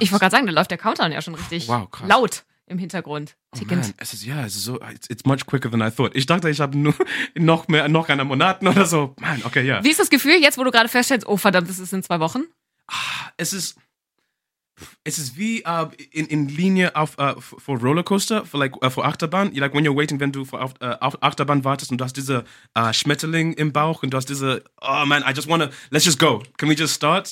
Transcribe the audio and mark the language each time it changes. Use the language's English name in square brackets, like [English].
[German] Ich wollte gerade sagen, da läuft der Countdown ja schon richtig laut im Hintergrund. Tickend. [English] Oh man, it's much quicker than I thought. [German] Ich dachte, ich habe nur noch einen Monat oder so. Man, okay, ja. Yeah. Wie ist das Gefühl jetzt, wo du gerade feststellst, oh verdammt, es ist in 2 Wochen? Ah, es ist wie in Linie auf for Rollercoaster, for like for Achterbahn. [English] You're like when you're waiting, [German] wenn du auf Achterbahn wartest und du hast diese Schmetterling im Bauch und du hast diese, [English] oh man, I just wanna, let's just go. Can we just start?